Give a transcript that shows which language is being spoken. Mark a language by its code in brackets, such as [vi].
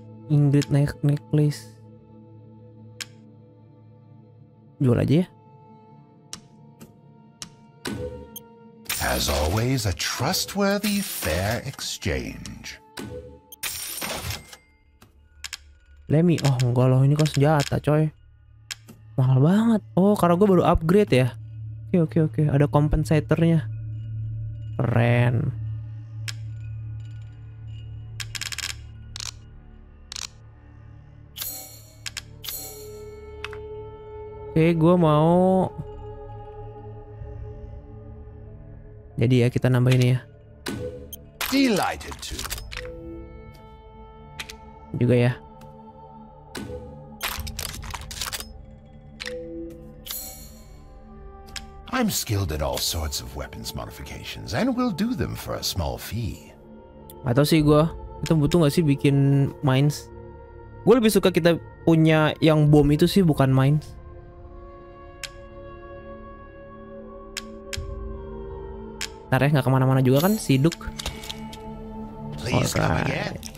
[en] Ingrid necklace. [id] Jual aja ya. [en] As always, a trustworthy, fair exchange. [id] Lemmy, oh enggak loh, ini kan senjata coy. Mahal banget. Oh, karena gue baru upgrade ya. Oke, oke, oke, ada compensator-nya. Keren. Oke, gue mau... Jadi ya kita nambah ini ya. [en] Delighted to. [id] Juga ya. [en] I'm skilled at all sorts of weapons modifications and will do them for a small fee. [id] Gak tau sih gue, kita butuh nggak sih bikin mines? Gue lebih suka kita punya yang bom itu sih, bukan mines. Ntar ya, nggak kemana-mana juga kan si Duke. [en] Please come again.